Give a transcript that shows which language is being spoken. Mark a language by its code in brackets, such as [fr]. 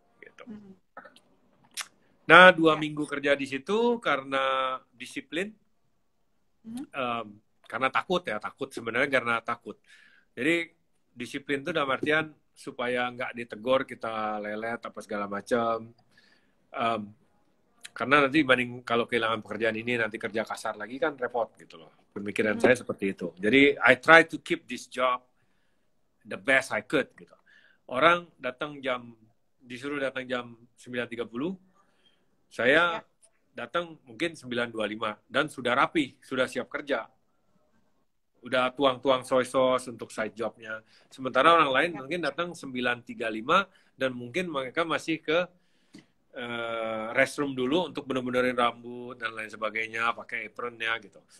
[id] Gitu. Nah, 2 minggu kerja di situ karena disiplin, karena takut ya, takut sebenarnya karena takut. Jadi, disiplin itu dalam artian supaya nggak ditegur, kita lelet, apa segala macam. Karena nanti dibanding kalau kehilangan pekerjaan ini, nanti kerja kasar lagi kan repot gitu loh. Pemikiran saya seperti itu. [en] Jadi, I try to keep this job the best I could. [id] Gitu. Orang datang jam, disuruh datang jam 9.30, saya datang mungkin 9.25, dan sudah rapi, sudah siap kerja. Udah tuang-tuang soy sauce untuk side job-nya. Sementara orang lain mungkin datang 9.35 dan mungkin mereka masih ke restroom dulu untuk bener-benerin rambut dan lain sebagainya, pakai apron-nya gitu.